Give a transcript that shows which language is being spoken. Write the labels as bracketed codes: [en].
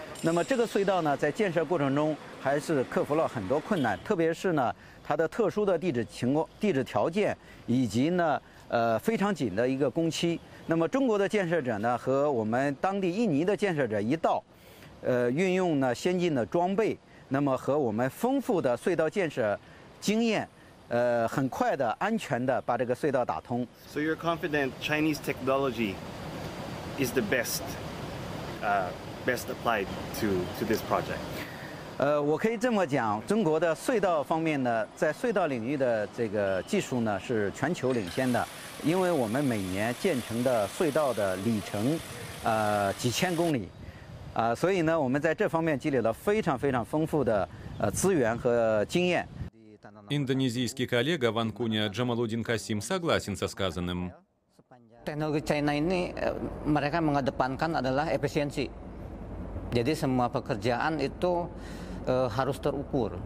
[zh] 那么这个隧道呢，在建设过程中还是克服了很多困难，特别是呢它的特殊的地质情况、地质条件以及呢非常紧的一个工期。那么中国的建设者呢和我们当地印尼的建设者一道， 运用呢先进的装备，那么和我们丰富的隧道建设经验，很快的、安全的把这个隧道打通。 [en] So you're confident Chinese technology is the best, best applied to this project? [zh] 我可以这么讲，中国的隧道方面呢，在隧道领域的这个技术呢是全球领先的，因为我们每年建成的隧道的里程，几千公里。所以呢，我们在这方面积累了非常非常丰富的资源和经验。 [ru] Индонезийский коллега Ван Куня Джамалудин Касим согласен со сказанным. [id] Teknologi China ini mereka mengedepankan adalah efisiensi. Jadi semua pekerjaan itu harus terukur.